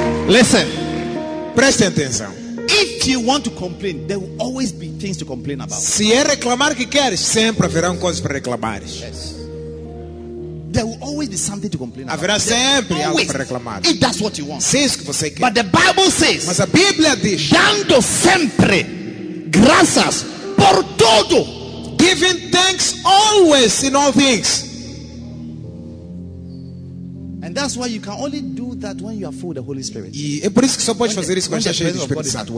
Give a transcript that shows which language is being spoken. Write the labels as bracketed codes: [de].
[en] Listen, [pt] preste atenção. [en] If you want to complain, there will always be things to complain about. [pt] Se é reclamar que queres, sempre haverão coisas para reclamar. [en] Yes. There will always be something to complain [pt] haverá [en] about. [pt] Haverá sempre always, algo para reclamar. [en] If that's what you want. [pt] Se isso que você quer. [en] But the Bible says, [pt] mas a Bíblia diz, dando sempre graças por tudo, [en] giving thanks always in all things. And that's why you can only do that when you are full of the Holy Spirit. [pt] E é por isso que só podes fazer isso quando estás cheio do Espírito Santo.